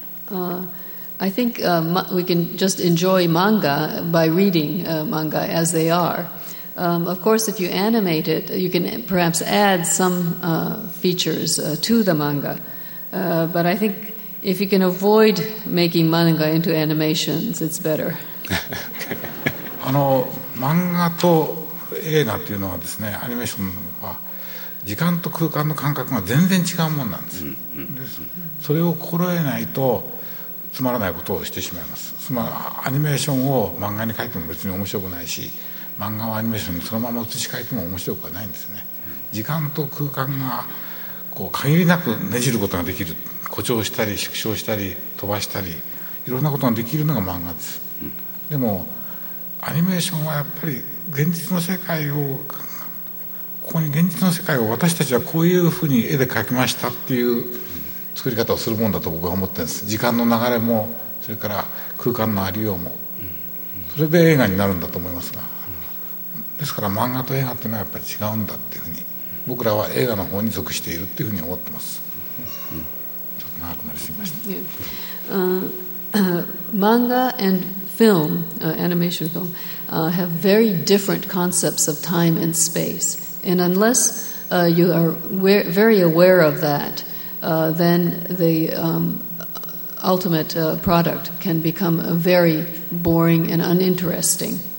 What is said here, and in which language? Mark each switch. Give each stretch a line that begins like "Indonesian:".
English: I think we can just enjoy manga by reading manga as they are. Of course, if you animate it, you can perhaps add some features to the manga. But I think if you can avoid making manga into animations, it's better.
Japanese: Manga to 映画というのはですね、アニメーションは時間と空間の感覚が全然違うものなんです。です。それを心得ないとつまらないことをしてしまいます。つまり、アニメーションを漫画に描いても別に面白くないし、漫画をアニメーションにそのまま写し替えても面白くはないんですね。時間と空間がこう限りなくねじることができる。誇張したり縮小したり飛ばしたり、いろんなことができるのが漫画です。でもアニメーションはやっぱり現実の世界を、ここに現実の世界を私たちはこういうふうに絵で描きましたっていう作り方をするものだと僕は思ってるんです。時間の流れも、それから空間のありようも、それで映画になるんだと思いますが、ですから漫画と映画というのはやっぱり違うんだっていうふうに、僕らは映画の方に属しているっていうふうに思ってます。ちょっと長くなりすぎました。
English: Manga and film, animation film, have very different concepts of time and space. And unless you are very aware of that, then the ultimate product can become very boring and uninteresting.